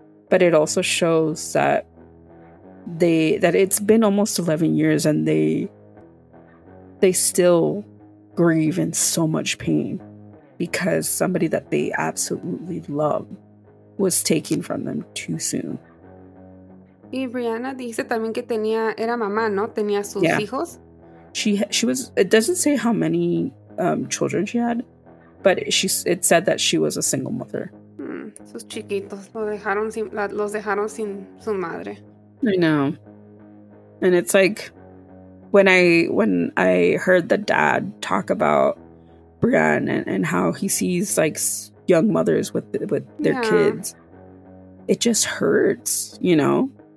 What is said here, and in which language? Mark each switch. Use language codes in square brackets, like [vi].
[en] But it also shows that that it's been almost 11 years and they still grieve in so much pain because somebody that they absolutely love was taken from them too soon. [es] Y Brianna dice también que tenía, era mamá, ¿no? Tenía sus hijos. [en] She was, it doesn't say how many children she had, but it said that she was a single mother. [es] Sus chiquitos los dejaron sin su madre. [en] I know. And it's like when I heard the dad talk about Brianna and how he sees like young mothers with their kids, it just hurts, you know?